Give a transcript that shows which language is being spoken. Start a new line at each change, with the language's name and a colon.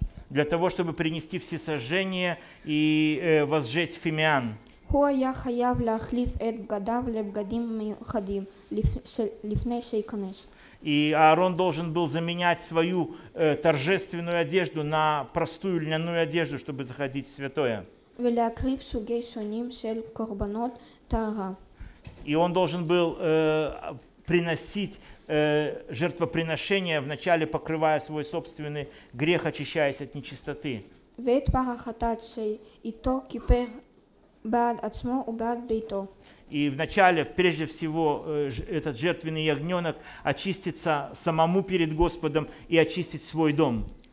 Russian: Для того, чтобы принести всесожжение и возжечь фимиан.
Hebrew: הוא היה חייב להחליף את בגדיו לבגדים מיוחדים לפני שיכנס.
Russian: И Аарон должен был заменять свою торжественную одежду на простую льняную одежду, чтобы заходить в святое.
Hebrew: ולהקריב סוגי שונים של קורבנות טהרה.
Russian: И он должен был приносить жертвоприношение, вначале покрывая свой собственный грех, очищаясь от нечистоты.
Hebrew: ואת פר החטאת שאיתו כיפר בעד עצמו ובעד ביתו.
Russian: И вначале, прежде всего, этот жертвенный ягненок очистится самому перед Господом и очистит свой дом.